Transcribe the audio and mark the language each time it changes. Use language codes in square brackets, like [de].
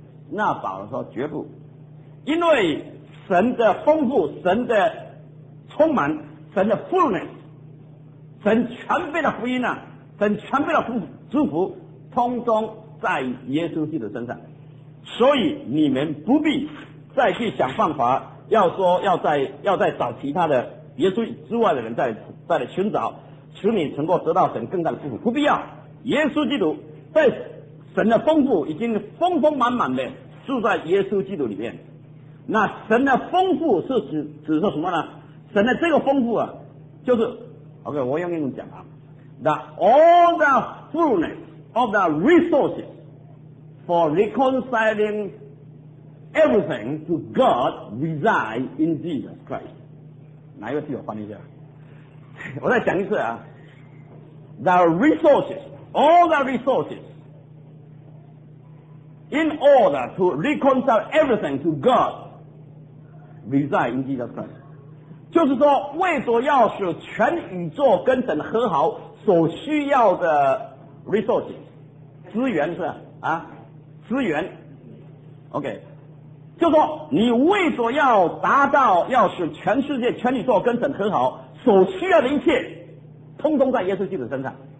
[zh] 那保罗说绝不，因为神的丰富、神的充满、神的 fullness、 神全备的福音啊，神全备的祝福通通在耶稣基督身上，所以你们不必再去想办法要说要再找其他的耶稣之外的人再来寻找，使你能够得到神更大的祝福，不必要。耶稣基督在神的丰富已经丰丰满满的住在耶稣基督里面。那神的丰富是指说什么呢？神的这个丰富啊，就是 OK， 我用英文讲啊， [en] the all the fullness of the resources for reconciling everything to God reside in Jesus Christ。 [zh] 哪一个字我翻译一下，我再讲一次啊， [en] the resources， all the resources in order to reconcile everything to God reside in Jesus Christ， [zh] 就是说为所要使全宇宙跟神和好所需要的 resources 资源是啊，资源 OK， 就说你为所要达到要使全世界全宇宙跟神和好所需要的一切通通在耶稣基督身上。